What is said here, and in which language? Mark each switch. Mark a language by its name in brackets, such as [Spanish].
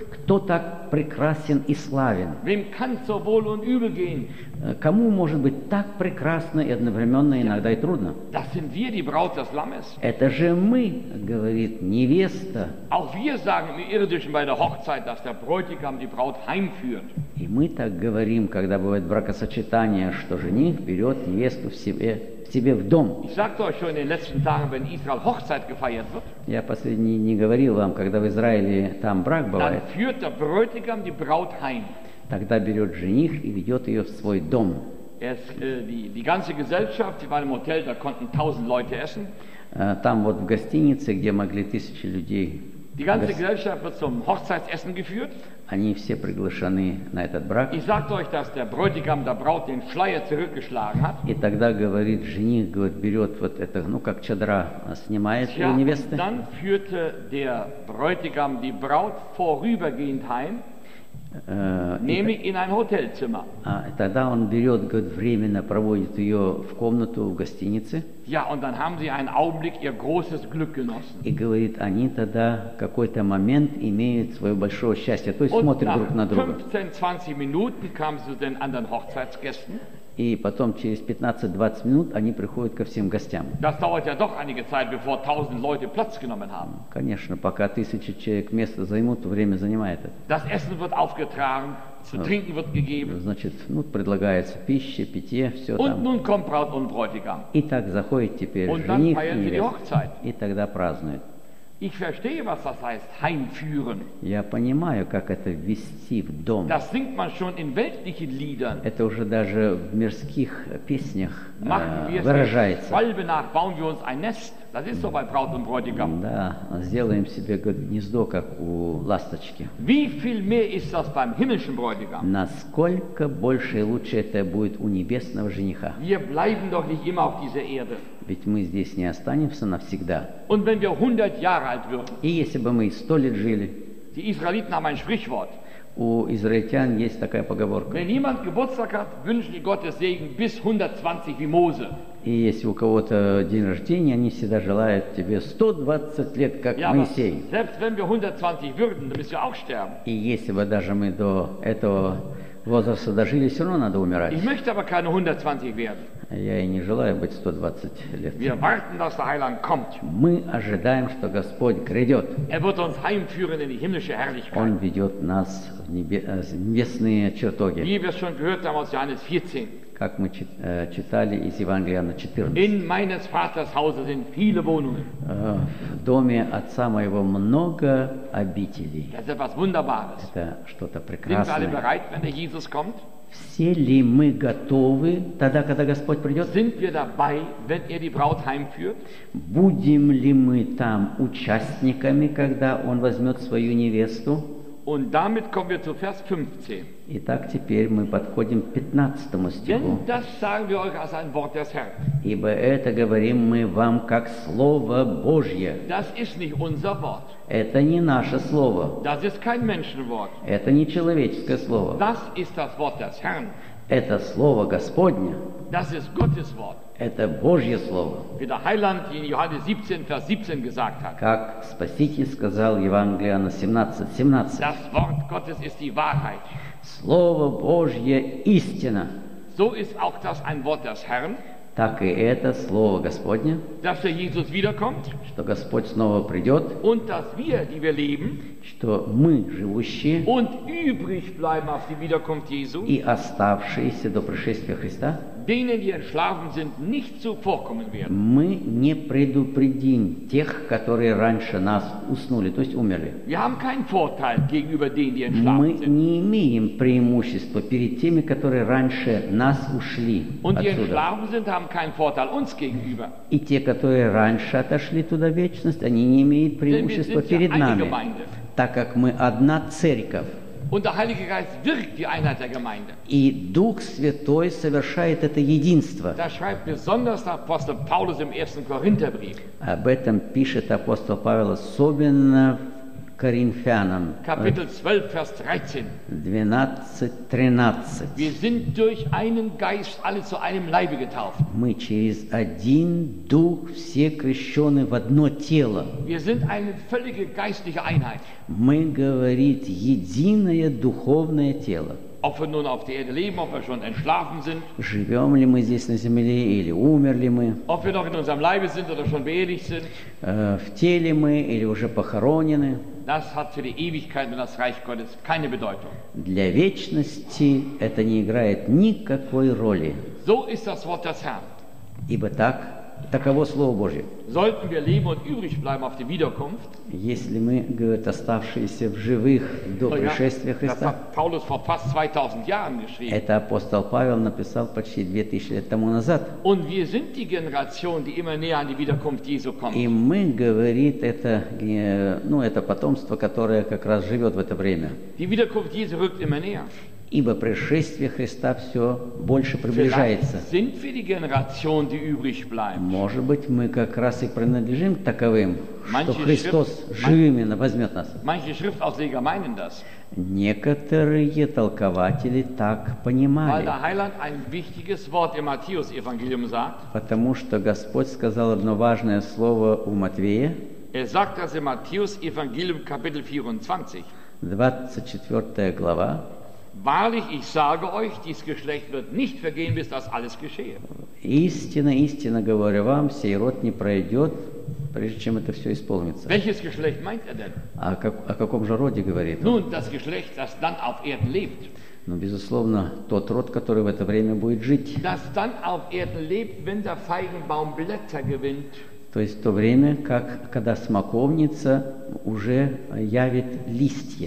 [Russian] Кто так прекрасен и славен? [German] Wem kann so wohl und übel gehen? [Russian] Кому может быть так прекрасно и одновременно иногда и трудно? [German] Das sind wir, die Braut des Lammes. [Russian] Это же мы, говорит невеста. [German] Auch wir sagen im Irdischen bei der Hochzeit, dass der Bräutigam die Braut heimführt. [Russian] И мы так говорим, когда бывает бракосочетание, что жених берет невесту в себе. Себе в дом. [German] Ich sagte euch schon in den letzten Tagen, wenn Israel Hochzeit gefeiert wird. [Russian] Я последний не говорил вам, когда в Израиле там брак бывает. [German] Dann führt der Bräutigam die Braut heim. [Russian] Тогда берет жених и ведет ее в свой дом. [German] Die ganze Gesellschaft, die war im Hotel, da konnten 1000 Leute essen. [Russian] Там вот в гостинице, где могли тысячи людей. [German] Die ganze Gesellschaft wird zum Hochzeitsessen geführt. [Russian] Они все приглашены на этот брак. [German] Ich sagte euch, dass der Bräutigam der Braut den Schleier zurückgeschlagen hat. [Russian] И тогда говорит жених, говорит, берет вот это, ну как чадра снимает у невесты. [German] Und dann führte der Bräutigam die Braut vorübergehend heim. Nehme in ein Hotelzimmer. [Russian] Тогда он берет, говорит, временно проводит ее в комнату в гостинице. [German] Ja, und dann haben sie einen Augenblick ihr großes Glück genossen. [Russian] И говорит, они тогда какой-то момент имеют свое большое счастье, то есть смотрят друг на друга. [German] 15-20 Minuten kamen sie zu den anderen Hochzeitsgästen. [Russian] И потом через 15-20 минут они приходят ко всем гостям. [German] Das dauert ja doch einige Zeit, bevor 1000 Leute Platz genommen haben. [Russian] Конечно, пока 1000 человек место займут, время занимает это. [German] Das Essen wird aufgetragen, zu trinken wird gegeben. [Russian] Значит, ну, предлагается пища, питье, все [German] und [Russian] там. [German] Nun kommt Braut und Bräutigam. [Russian] И так заходит теперь [German] und [Russian] жених [German] dann feiern [Russian] и невеста. [German] Die Hochzeit. [Russian] И тогда празднуют. [German] Ich verstehe, was das heißt, heimführen. [Russian] Я понимаю, как это ввести в дом. [German] Das singt man schon in weltlichen Liedern. [Russian] Это уже даже в мирских песнях выражается. [German] Schwalbe nach bauen wir uns ein Nest. Das ist so bei Braut und Bräutigam. [Russian] Да, сделаем себе гнездо, как у ласточки. [German] Wie viel mehr ist das beim himmlischen Bräutigam? [Russian] Насколько больше и лучше это будет у небесного жениха? [German] Wir bleiben doch nicht immer auf dieser Erde. [Russian] Ведь мы здесь не останемся навсегда. [German] Und wenn wir 100 Jahre alt würden. [Russian] И если бы мы 100 лет жили. [German] Die Israeliten haben ein Sprichwort. [Russian] У израильтян есть такая поговорка. [German] Wenn jemand Geburtstag hat, wünscht ihm Gottes Segen bis 120 wie Mose. [Russian] И если у кого-то день рождения, они всегда желают тебе 120 лет, как [German] ja, [Russian] Моисей. [German] Selbst wenn wir 120 würden, dann müssen wir auch sterben. [Russian] И если бы даже мы до этого возраста дожили, все равно надо умирать. [German] Ich möchte aber keine 120 werden. [Russian] Я и не желаю быть 120 лет. [German] Wir warten, dass der Heiland kommt. [Russian] Мы ожидаем, что Господь грядет. [German] Er wird uns heimführen in die himmlische Herrlichkeit. [Russian] Он ведет нас в небесные чертоги. [German] Wie wir schon gehört haben aus Johannes 14. [Russian] Как мы читали из Евангелия на 14. [German] In meines Vaters Hause sind viele Wohnungen. [Russian] В доме отца моего много обителей. [German] Das ist etwas Wunderbares. [Russian] Это что-то прекрасное. [German] Sind wir alle bereit, wenn der Jesus kommt? [Russian] Все ли мы готовы тогда, когда Господь придет? [German] Sind wir dabei, wenn er die Braut heimführt? [Russian] Будем ли мы там участниками, когда Он возьмет свою невесту? [German] Und damit kommen wir zu Vers 15. [Russian] Итак, теперь мы подходим к 15 стиху. [German] Denn das sagen wir euch als ein Wort des Herrn. [Russian] Ибо это говорим мы вам как Слово Божье. [German] Das ist nicht unser Wort. [Russian] Это не наше Слово. [German] Das ist kein Menschenwort. [Russian] Это не человеческое Слово. [German] Das ist das Wort des Herrn. [Russian] Это Слово Господне. [German] Das ist Gottes Wort. [Russian] Это Божье Слово. [German] Wie der Heiland in Johannes 17, Vers 17 gesagt hat. [Russian] Как Спаситель сказал Евангелие на 17:17. [German] Das Wort Gottes ist die Wahrheit. [Russian] Слово Божье истина. [German] So ist auch das ein Wort des Herrn. [Russian] Так и это Слово Господне. [German] Dass der Jesus wiederkommt. [Russian] Что Господь снова придет. [German] Und dass wir, die wir leben. [Russian] Что мы, живущие. [German] Und übrig bleiben auf die Wiederkunft Jesu. [Russian] И оставшиеся до пришествия Христа. [German] Denen, die entschlafen sind, nicht zuvorkommen werden. [Russian] Мы не предупредим тех, которые раньше нас уснули, то есть умерли. [German] Wir haben keinen Vorteil gegenüber denen, die entschlafen [Russian] мы [German] sind. [Russian] Не имеем преимущества перед теми, которые раньше нас ушли [German] Und [Russian] отсюда. [German] Die entschlafen sind, haben keinen Vorteil uns gegenüber. [Russian] И те, которые раньше отошли туда в вечность, они не имеют преимущества перед нами, так как мы одна церковь. [German] Und der Heilige Geist wirkt die Einheit der Gemeinde. [Russian] И Дух Святой совершает это единство. [German] Das schreibt besonders der Apostel Paulus im 1. Korintherbrief. [Russian] Об этом пишет апостол Павел особенно Коринфянам. [German] Kapitel 12, Vers 13. [Russian] 12:13. [German] Wir sind durch einen Geist alle zu einem Leibe getauft. [Russian] Мы через один Дух все крещены в одно тело. [German] Wir sind eine völlige geistliche Einheit. [Russian] Мы, говорит, единое духовное тело. [German] Ob wir nun auf der Erde leben, ob wir schon entschlafen sind. [Russian] Живем ли мы здесь на земле или умерли мы. [German] Ob wir noch in unserem Leibe sind oder schon beerdigt sind. [Russian] В теле мы или уже похоронены. [German] Das hat für die Ewigkeit und das Reich Gottes keine Bedeutung. [Russian] Для вечности это не играет никакой роли. [German] So ist das Wort des Herrn. [Russian] Ибо так, таково Слово Божье. [German] Sollten wir leben und übrig bleiben auf die Wiederkunft. [Russian] Если мы, говорит, оставшиеся в живых до пришествия Христа. [German] Das hat Paulus vor fast 2000 Jahren geschrieben. [Russian] Это апостол Павел написал почти 2000 лет тому назад. [German] Und wir sind die Generation, die immer näher an die Wiederkunft Jesu kommt. [Russian] И мы, говорит, это, ну, это потомство, которое как раз живет в это время. [German] Die Wiederkunft Jesu rückt immer näher. [Russian] Ибо пришествие Христа все больше приближается. [German] Sind wir die Generation, die übrig bleibt. [Russian] Может быть, мы как раз и принадлежим таковым, [German] manche [Russian] что Христос живыми возьмет нас. [German] Manche Schriftausleger meinen das. [Russian] Некоторые толкователи так понимали. [German] Weil der Heiland ein wichtiges Wort im Matthäus-Evangelium sagt. [Russian] Потому что Господь сказал одно важное слово у Матвея. [German] Er sagt das im Matthäus-Evangelium, Kapitel 24. [Russian] 24. глава. [German] Wahrlich, ich sage euch, dies Geschlecht wird nicht vergehen, bis das alles geschehe. [Russian] Истинно, истинно говорю вам, сей род не пройдет, прежде чем это все исполнится. [German] Welches Geschlecht meint er denn? [Russian] О каком же роде говорит он? [German] Nun, das Geschlecht, das dann auf Erden lebt. [Russian] Ну, безусловно, тот род, который в это время будет жить. [German] Das dann auf Erden lebt, wenn der Feigenbaum Blätter gewinnt. [Russian] То есть то время, как, когда смоковница уже явит листья.